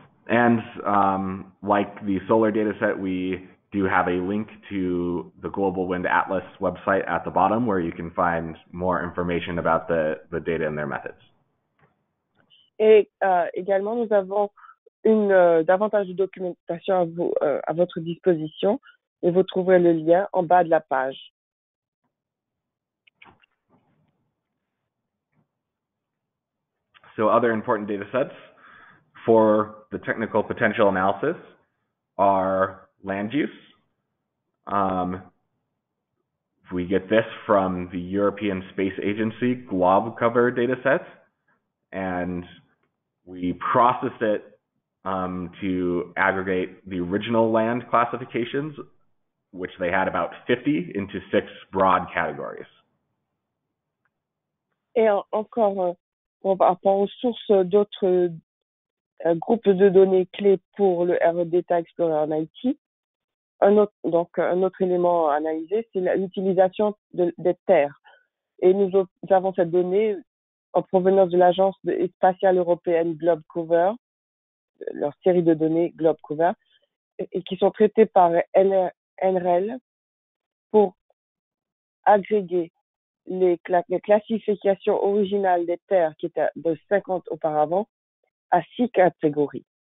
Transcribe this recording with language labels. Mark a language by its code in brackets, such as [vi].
[en] And like the solar data set, we do have a link to the Global Wind Atlas website at the bottom where you can find more information about the data and their methods. [fr] Et également, nous avons davantage de documentation à votre disposition, et vous trouverez le lien en bas de la page. [en] So other important data sets for the technical potential analysis are land use. We get this from the European Space Agency glob cover data set, and we process it to aggregate the original land classifications, which they had about 50, into 6 broad categories. [fr] Et encore, on va prendre source d'autres groupes de données clés pour le RE Data Explorer en Haïti. Un autre élément à analyser, c'est l'utilisation des terres. Et nous avons cette donnée en provenance de l'Agence spatiale européenne GlobeCover, leur série de données GlobeCover, et qui sont traitées par NREL pour agréger les classifications originales des terres qui étaient de 50 auparavant à 6 catégories.